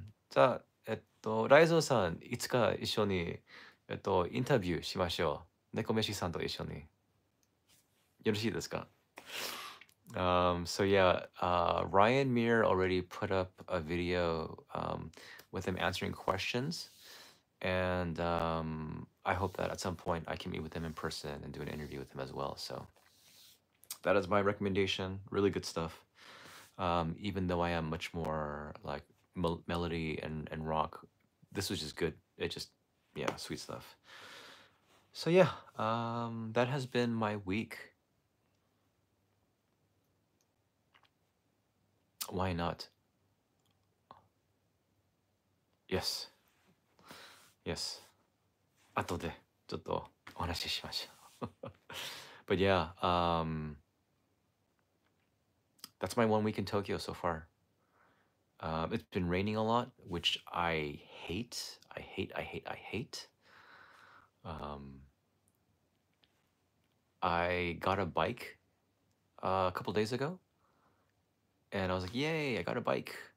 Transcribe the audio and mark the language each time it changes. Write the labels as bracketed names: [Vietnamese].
[Japanese] じゃあ、ライゾーさん、いつか一緒に、インタビューしましょう。 Nekomeshiさんと一緒に。よろしいですか? [English] So yeah, Ryan Meir already put up a video with him answering questions, and I hope that at some point I can meet with him in person and do an interview with him as well. So that is my recommendation. Really good stuff. Even though I am much more like melody and rock, this was just good. It just, yeah, sweet stuff. So yeah, that has been my week. Why not? Yes. Yes. [Japanese] 後でちょっとお話ししましょう。 [English] But yeah, that's my 1 week in Tokyo so far. It's been raining a lot, which I hate. I hate. I got a bike a couple days ago, and I was like, yay, I got a bike.